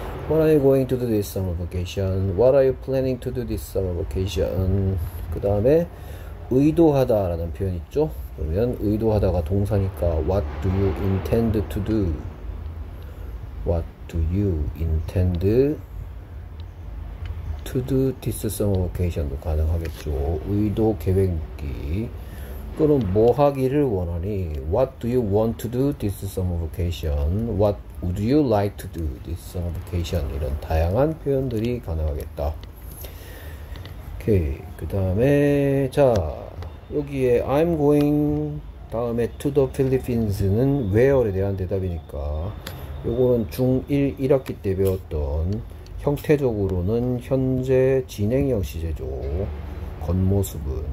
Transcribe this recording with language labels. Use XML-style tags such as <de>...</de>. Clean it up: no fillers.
<en>What are you going to do this summer vacation? What are you planning to do this summer vacation?</en> <ko>그 다음에 의도하다라는 표현 있죠? 그러면 의도하다가 동사니까</ko> <en>What do you intend to do? What do you intend to do this summer vacation도</en> <ko>가능하겠죠. 의도 계획 묻기. 그럼 뭐 하기를 원하니?</ko> <en>What do you want to do this summer vacation? What would you like to do this summer vacation?</en> <ko>이런 다양한 표현들이 가능하겠다. 오케이. 그 다음에, 자, 여기에 I'm going 다음에</ko> <en>to the Philippines</en> <ko>는 where에 대한 대답이니까 요거는 중1 1학기 때 배웠던 형태적으로는 현재 진행형 시제죠. 겉모습은.</ko>